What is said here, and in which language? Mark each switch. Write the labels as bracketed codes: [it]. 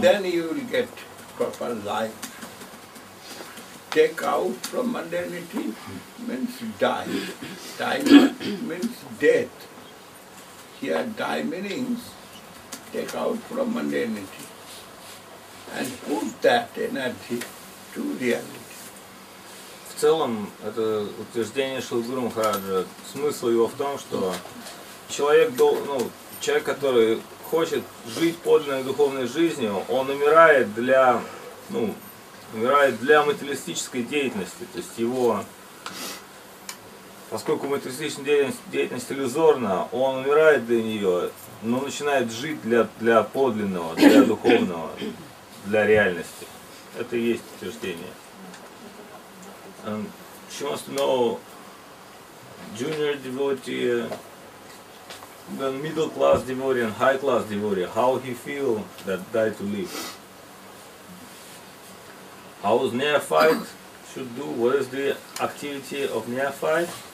[en] Then you will get proper life. Take out from mundanity means die. Die means death. Here die means take out from mundanity and put that energy to reality. [ru] В целом, это утверждение Шрилы Гуру Махараджа, смысл его в том, что человек, человек, который хочет жить подлинной духовной жизнью, он умирает для, умирает для материалистической деятельности. То есть его, поскольку материалистическая деятельность иллюзорна, он умирает для нее, но начинает жить для подлинного, для духовного, для реальности. Это и есть утверждение. [en] And she wants to know, junior devotee, then middle class devotee and high class devotee, how he feel that die to live. How is neophyte should do? What is the activity of neophyte?